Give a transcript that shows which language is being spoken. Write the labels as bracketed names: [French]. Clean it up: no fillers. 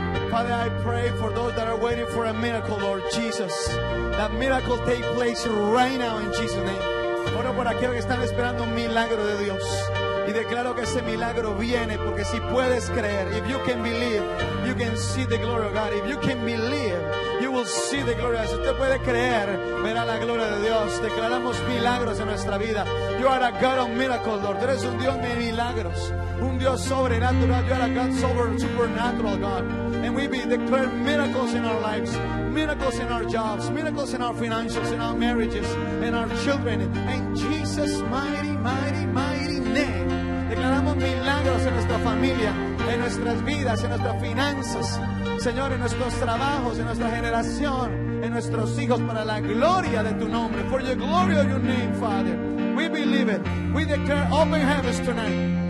[English] Father, I pray for those that are waiting for a miracle, Lord Jesus. That miracle take place right now in Jesus' name. [Spanish] Oro por aquellos que están esperando un milagro de Dios. Y declaro que ese milagro viene, porque si puedes creer, [English] if you can believe, you can see the glory of God. If you can believe, you will will see the glory. [Spanish] Si usted puede creer, verá la gloria de Dios. Declaramos milagros en nuestra vida. [English] You are a God of miracles, Lord. [Spanish] Eres un Dios de milagros, un Dios sobrenatural. [English] You are a God supernatural, God. And we declare miracles in our lives, miracles in our jobs, miracles in our finances, in our marriages, in our children. In Jesus' mighty, mighty, mighty name. [Spanish] Declaramos milagros en nuestra familia, en nuestras vidas, en nuestras finanzas, Señor, en nuestros trabajos, en nuestra generación, en nuestros hijos, para la gloria de tu nombre. [English] For the glory of your name, Father. We believe it. We declare open heavens tonight.